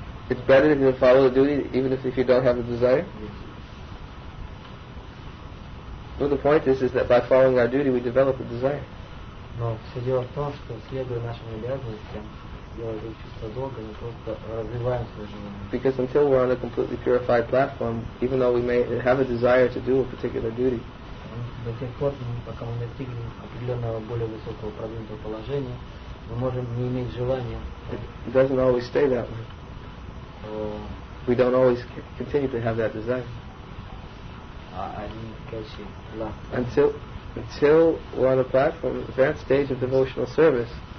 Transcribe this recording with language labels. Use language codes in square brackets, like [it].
[en] It's better if you follow the duty even if you don't have the desire? Yes. Well, the point is that by following our duty we develop the desire. No, [ru] все дело в том, что следуя нашим обязанностям, делая чувство долга, мы просто развиваем свое желание. [en] Because until we're on a completely purified platform, even though we may have a desire to do a particular duty, [ru] до тех пор, пока мы достигнем определенного более высокого продвинутого положения, мы можем не иметь желания. [en] It doesn't always stay that way. We don't always continue to have that desire. I didn't catch it. Until we're on a platform, advanced stage of devotional service.